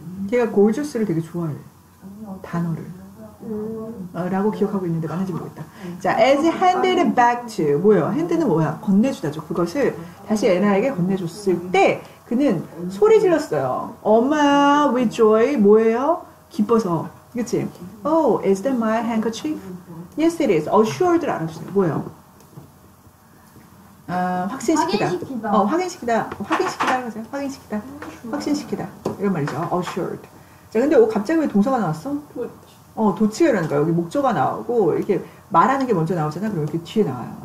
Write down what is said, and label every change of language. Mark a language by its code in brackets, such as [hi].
[ko] 걔가 gorgeous를 되게 좋아해. 단어를. 라고 기억하고 있는데 맞는지 모르겠다. 자, [en] as handed back to. [ko] 뭐예요? 핸드는 뭐야? 건네주다죠. 그것을 다시 애나에게 건네줬을 때 그는 소리 질렀어요. 엄마, [en] with joy. [ko] 뭐예요? 기뻐서. 그치? [en] Oh, is that my handkerchief? Yes, it is. [ko] Assured를 알아주세요. 뭐예요? 아, 확신시키다. 확인시키다. 어, 확인시키다. 확인시키다. 하세요. 확인시키다. 확신시키다. 이런 말이죠. Assured. 자, 근데 갑자기 왜 동사가 나왔어? 어, 도치어라는 거야. 여기 목적어가 나오고, 이렇게 말하는 게 먼저 나오잖아. 그럼 이렇게 뒤에 나와요.